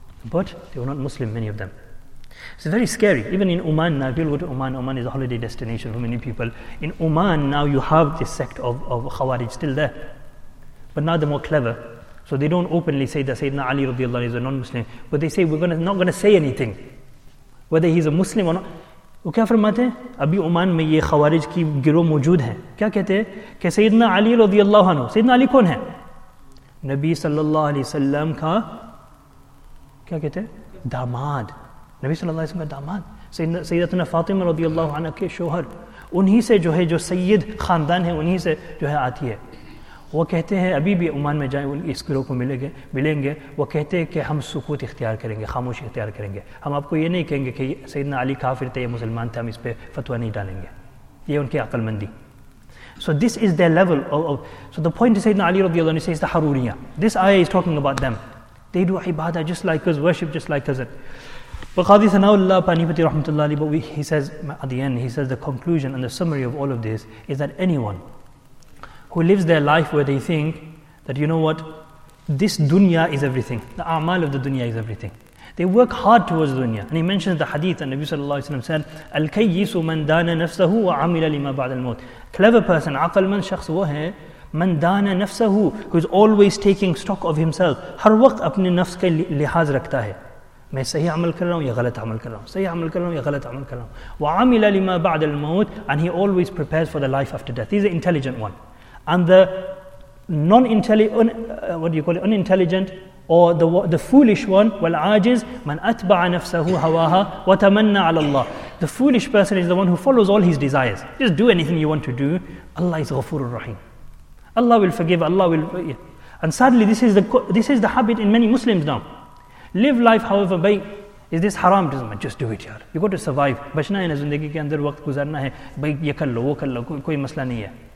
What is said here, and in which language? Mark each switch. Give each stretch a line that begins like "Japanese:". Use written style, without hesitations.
English: But they were not Muslim, many of them. It's very scary. Even in Oman now, people go to Oman. Oman is a holiday destination for many people. In Oman now, you have this sect of Khawarij still there. But now they're more clever. So they don't openly say that Sayyidina Ali radiallahu anhu is a non-Muslim. But they say, we're not going to say anything. Whether he's a Muslim or not.
Urdu: وہ کیا فرماتے ہیں ابھی Oman میں یہ خوارج کی گروہ موجود ہیں کیا کہتے ہیں کہ سیدنا علی رضی اللہ عنہ سیدنا علی کون ہے نبی صلی اللہ علیہ وسلم کا کیا کہتے ہیں داماد نبی صلی اللہ علیہ وسلم کا داماد سیدتنا فاطمہ رضی اللہ عنہ کے شوہر انہی سے جو ہے جو سید خاندان ہے انہی سے جو ہے آتی ہے وہ کہتے ہیں ابھی بھی عمان میں جائیں اس گروہ کو ملیں گے وہ کہتے ہیں کہ ہم سکوت اختیار کریں گے خاموشی اختیار کریں گے ہم آپ کو یہ نہیں کہیں گے کہ سیدنا علی کافر تھے یا مسلمان تھے ہم اس پہ فتوہ نہیں ڈالیں گے یہ ان کی عقل مندی
English: So this is their level of So the point to سیدنا علی رضی اللہ عنہ says the Haruriyyah This ayah is talking about them They do عبادہ just like us worship just like us But Qazi Sanaullah Panipati رحمت اللہ علی But he says at the end he says the conclusion and the summary of all of this is that anyone who lives their life where they think that, you know what, this dunya is everything. The a'mal of the dunya is everything. They work hard towards dunya. And he mentions the hadith, and Nabi sallallahu alayhi wa sallam said,
Arabic: Al-kayyisu man dana nafsahu wa amila lima ba'd al-maut.
English: Clever person,
Urdu: aqal man shakhs wo hai,
Arabic: man dana nafsahu,
English: who is always taking stock of himself.
Urdu: Har waqt apne nafs ke lihaz rakhta hai. میں صحیح عمل کر رہا ہوں یا غلط عمل کر رہا ہوں صحیح عمل کر رہا ہوں یا غلط عمل کر رہا ہوں
Arabic: وَعَمِلَ لِمَا بَعْدَ الْمَوْتِ
English: And he always prepares for the life after death. He's an intelligent one. And the unintelligent, or the foolish one,
Arabic: والعاجز, من أتبع نفسه هواها وتمنى على الله.
English: The foolish person is the one who follows all his desires. Just do anything you want to do. Allah is غفور الرحيم. Allah will forgive. Allah will. And sadly, this is the habit in many Muslims now. Live life however, by Is this haram? Just do it, yaar. You got to survive.
Urdu: بچنا ہے نا زندگی کے اندر وقت گزارنا ہے. بھئی یہ کر لو وہ کر لو کوئی مسئلہ نہیں ہے.